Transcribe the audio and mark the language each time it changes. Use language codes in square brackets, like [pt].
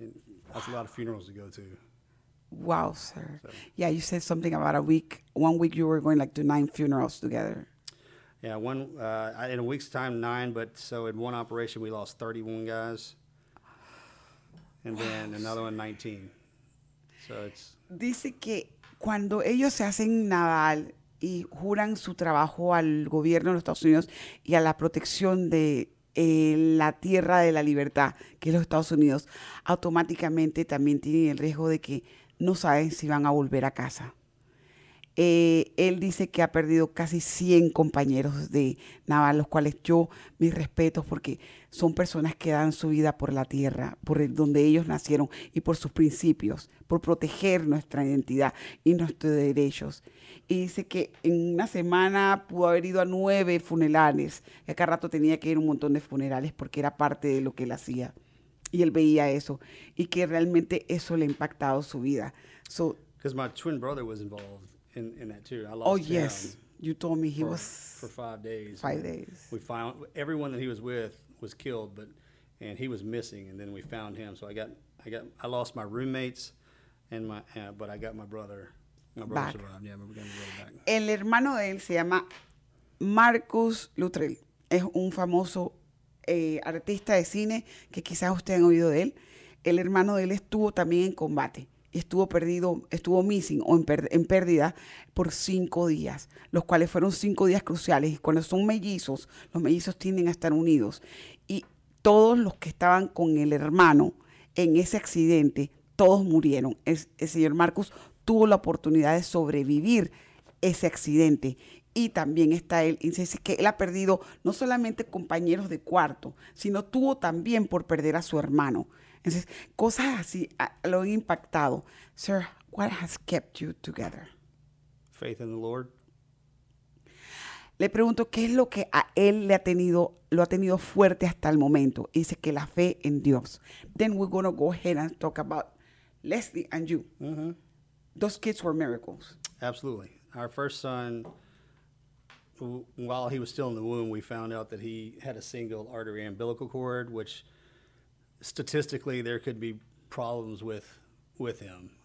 [en] And that's a lot of funerals to go to. Wow, sir. So. Yeah, you said something about a week. 1 week you were going like to 9 funerals together. Yeah, in a week's time, 9. But so in one operation, we lost 31 guys. And wow, then another one, 19. So it's. [es] Dice que cuando ellos se hacen naval y juran su trabajo al gobierno de los Estados Unidos y a la protección de la tierra de la libertad, que es los Estados Unidos, automáticamente también tienen el riesgo de que no saben si van a volver a casa. Él dice que ha perdido casi 100 compañeros de naval, los cuales yo, mis respetos, porque son personas que dan su vida por la tierra, por donde ellos nacieron y por sus principios, por proteger nuestra identidad y nuestros derechos. Y dice que en una semana pudo haber ido a 9 funerales, y acá rato tenía que ir a un montón de funerales porque era parte de lo que él hacía. Y él veía eso, y que realmente eso le ha impactado su vida. [en] So, because my twin brother was involved in that too. I lost him. Oh, yes. You told me he was. For 5 days. 5 days. We found everyone that he was with was killed, and he was missing, and then we found him. So I lost my roommates, and but I got my brother. My brother back. Survived. Yeah, but we got my brother back. [es] El hermano de él se llama Marcus Luttrell. Es un famoso artista de cine que quizás ustedes han oído de él. El hermano de él estuvo también en combate y estuvo missing o en pérdida por 5 días, los cuales fueron 5 días cruciales. Y cuando son mellizos, los mellizos tienden a estar unidos. Y todos los que estaban con el hermano en ese accidente, todos murieron. El señor Marcus tuvo la oportunidad de sobrevivir ese accidente. Y también está él, y dice que él ha perdido no solamente compañeros de cuarto, sino tuvo también por perder a su hermano. Entonces, cosas así lo han impactado. [en] Sir, what has kept you together? Faith in the Lord. [es] Le pregunto, ¿qué es lo que a él lo ha tenido fuerte hasta el momento? Y dice que la fe en Dios. [en] Then we're going to go ahead and talk about Leslie and you. Mm-hmm. Those kids were miracles. Absolutely. Our first son, while he was still in the womb, we found out that he had a single artery umbilical cord, which statistically there could be problems with him.